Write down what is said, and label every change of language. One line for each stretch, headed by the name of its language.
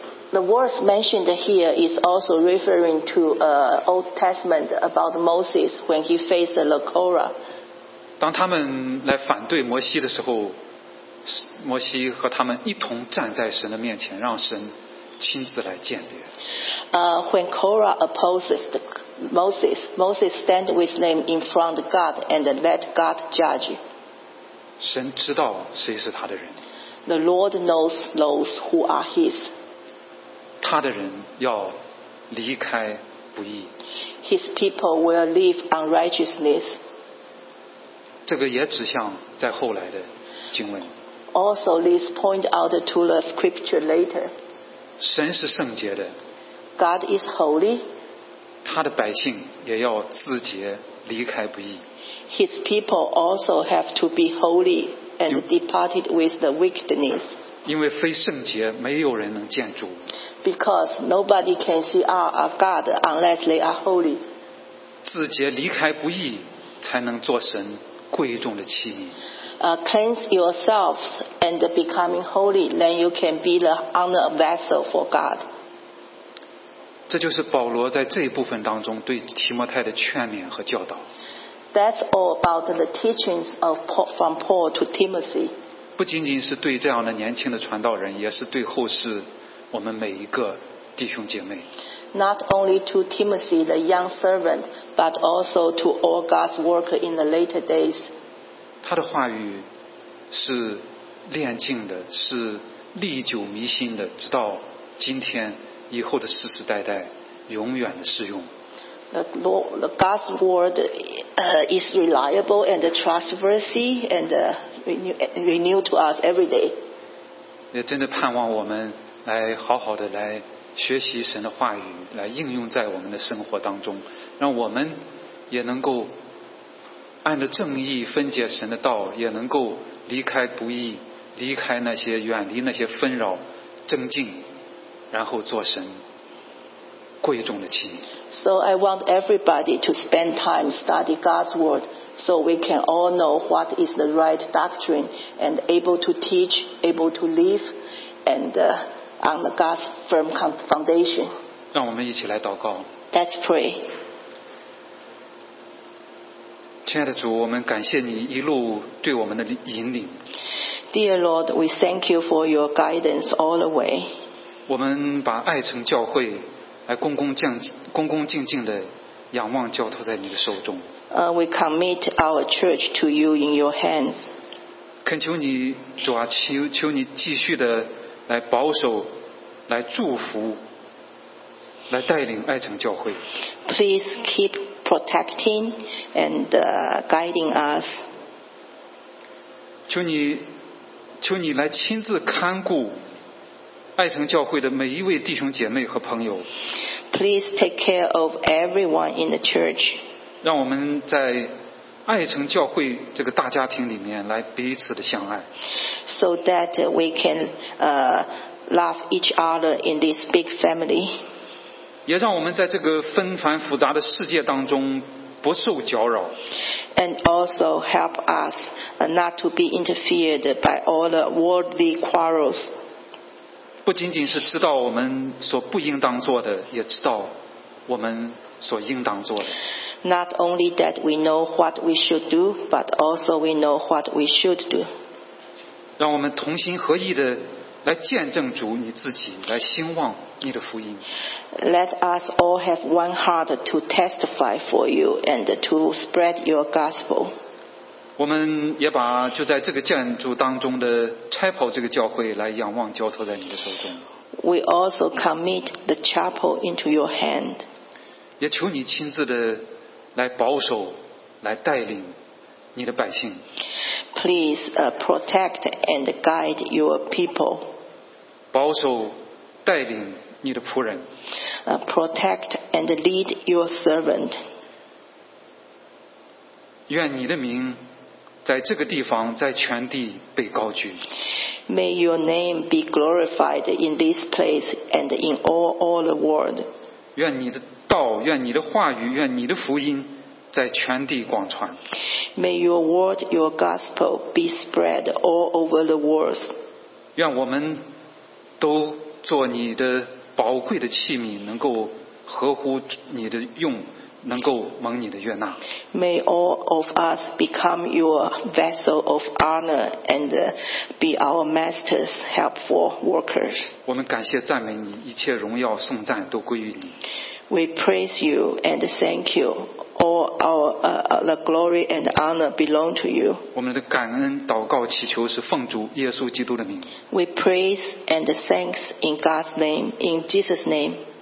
English: The words mentioned here is also referring to Old Testament about Moses when he faced the Korah.
Chinese: 当他们来反对摩西的时候，摩西和他们一同站在神的面前，让神亲自来鉴别。
English: When Korah opposes Moses, Moses stand with them in front of God and let God judge.
Chinese: 神知道谁是他的人。
English: The Lord knows those who are His.
Chinese: 他的人要离开不义。
English: His people will leave unrighteousness.
Chinese: 这个也指向在后来的经文。
English: Also, this point out to the scripture later.
Chinese: 神是圣洁的。
English: God is holy.
Chinese: 他的百姓也要自洁，离开不义。
English: His people also have to be holy. And departed with the wickedness.
Chinese: 因为非圣洁，没有人能见主。
English: Because nobody can see our God unless they are holy.
Chinese: 自洁离开不义，才能做神贵重的器皿。
English: Cleanse yourselves and becoming holy, then you can be the honored vessel for God.
Chinese: 这就是保罗在这一部分当中对提摩太的劝勉和教导。
English: That's all about the teachings of Paul, from Paul to Timothy.
Chinese: 不仅仅是对这样的年轻的传道人，也是对后世我们每一个弟兄姐妹。
English: Not only to Timothy, the young servant, but also to all God's work in the later days.
Chinese: 他的话语是炼净的，是历久弥新的，直到今天以后的世世代代，永远的适用。
English: The God's word is reliable and trustworthy and renewed to us every day.
Chinese: 也真的盼望我们来好好的来学习神的话语，来应用在我们的生活当中，让我们也能够按着正义分解神的道，也能够离开不义，离开那些远离那些纷扰，正静，然后做神贵重的器皿。
English: So I want everybody to spend time study God's word, so we can all know what is the right doctrine and able to teach, able to live, and on the God's firm foundation.
Chinese: 让我们一起来祷告。
English: Let's pray.
Chinese: 亲爱的主，我们感谢你一路对我们的引领。
English: Dear Lord, we thank you for your guidance all the way.
Chinese: 我们把爱城教会来恭恭敬敬的仰望交托在你的手中。
English: We commit our church to you in your hands.
Chinese: 恳求你主啊，求你继续的来保守，来祝福，来带领爱城教会。
English: Please keep protecting and guiding us.
Chinese: 求你来亲自看顾爱城教会的每一位弟兄姐妹和朋友。
English: Please take care of everyone in the church.
Chinese: 让我们在爱城教会这个大家庭里面来彼此的相爱。
English: So that we can love each other in this big family.
Chinese: 也让我们在这个纷繁复杂的世界当中不受搅扰。
English: And also help us not to be interfered by all the worldly quarrels.
Chinese: 不仅仅是知道我们所不应当做的，也知道我们所应当做的。
English: Not only that we know what we should do, but also we know what we should do.
Chinese: 让我们同心合意的来见证主你自己，来兴旺你的福音。
English: Let us all have one heart to testify for you and to spread your gospel.
Chinese: 我们也把就在这个建筑当中的拆跑这个教会来仰望交托在你的手中。
English: We also commit the chapel into your hand.
Chinese: 也求你亲自的来保守，来带领你的百姓。
English: Please protect and guide your people.
Chinese: 保守带领你的仆人。
English: Protect and lead your servant.
Chinese: 愿你的名在这个地方，在全地被高举。
English: May your name be glorified in this place and in all the world.
Chinese: 愿你的道，愿你的话语，愿你的福音在全地广传。
English: May your word, your gospel be spread all over the world.
Chinese: 愿我们都做你的宝贵的器皿，能够合乎你的用。能够蒙你的悦纳。
English: May all of us become your vessel of honor and be our master's helpful workers.
Chinese: 我们感谢赞美你，一切荣耀颂赞都归于你。
English: We praise you and thank you. All our the glory and honor belong to you.
Chinese: 我们的感恩祷告祈求是奉主耶稣基督的名。
English: We praise and thanks in God's name, in Jesus' name.